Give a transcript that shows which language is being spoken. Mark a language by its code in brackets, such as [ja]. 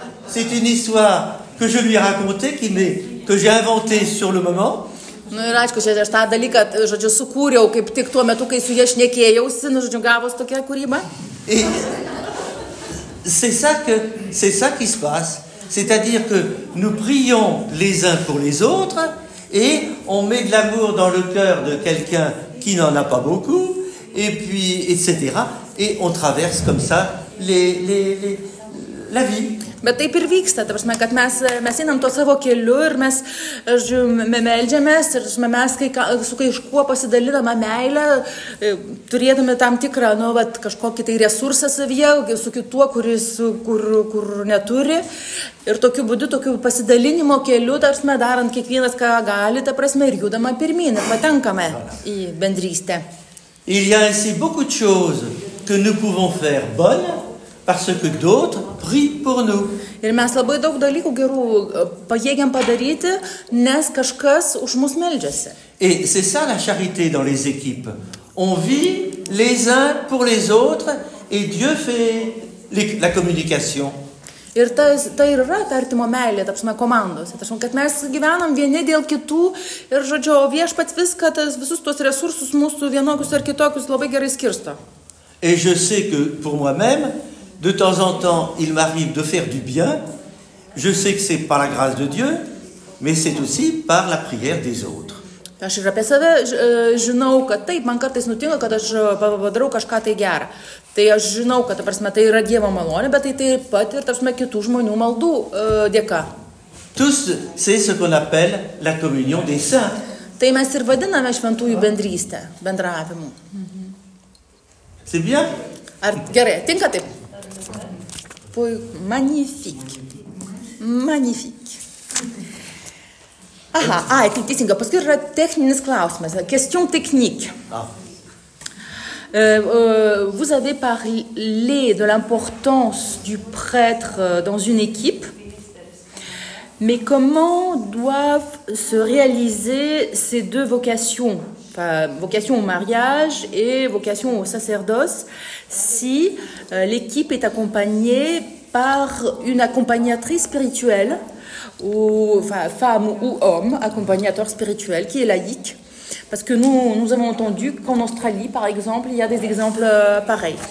[fr] C'est une histoire que je lui ai racontée, que j'ai inventée sur le moment. [lt] Nu ir aišku, čia aš tą dalyką, žodžiu, sukūriau kaip tik tuo metu, kai su jie šnekėjausi, nu, žodžiu, gavos tokia kūryba. [fr] Et c'est ça qui se passe. C'est-à-dire que nous prions les uns pour les autres et on met de l'amour dans le cœur de quelqu'un qui n'en a pas beaucoup et puis, etc. Et on traverse comme ça la vie. [lt] Bet taip ir vyksta, ta prasme, kad mes einam to savo keliu ir mes meldžiamės ir mes su kažkuo pasidalinama meilę, turėdami tam tikrą nu, vat, kažkokį tai resursą savyje, su kituo, kur neturi. Ir tokiu būdu, tokiu pasidalinimo keliu, ta prasme, darant kiekvienas, ką gali, ta prasme, ir judama pirmyn, patenkame į bendrystę. [fr] Il y a ainsi beaucoup de choses que nous pouvons faire bonne. Parce que d'autres prient pour nous. [lt] Ir mes labai daug dalykų gerų pajėgiam padaryti, nes kažkas už mus meldžiasi. [fr] Et c'est ça la charité dans les équipes. On vit les uns pour les autres et Dieu fait la communication. [lt] Ir tai ir yra ta artimo meilė, tapsime komandose. Tačiau, kad mes gyvenam vieni dėl kitų ir, žodžiu, viešpats viską, visus tuos resursus mūsų vienokius ar kitokius labai gerai skirsto. [fr] Et je sais que pour moi-même, de temps en temps, il m'arrive de faire du bien. Je sais que c'est par la grâce de Dieu, mais c'est aussi par la prière des autres. [lt] Aš ir apie save žinau, kad taip, man kartais nutinka, kad aš padarau kažką tai gerą. Tai aš žinau, kad tai yra Dievo malonė, bet tai taip pat ir kitų žmonių maldų dėka. [fr] Tous, c'est ce qu'on appelle la communion des saints. [lt] Tai mes ir vadiname šventųjų bendrystę, bendravimu. [fr] C'est bien? [lt] Ar gerai, tinka taip? [fr] Puis magnifique. Magnifique. [lt] Aha, ai, tai teisinga. Paskui yra techninis klausimas. [fr] Question technique. Vous avez parlé de l'importance du prêtre dans une équipe. Mais comment doivent se réaliser ces deux vocations? Vocation au mariage et vocation au sacerdoce si l'équipe est accompagnée par une accompagnatrice spirituelle ou femme ou homme accompagnateur spirituel qui est laïque parce que nous avons entendu qu'en Australie par exemple il y a des exemples pareils.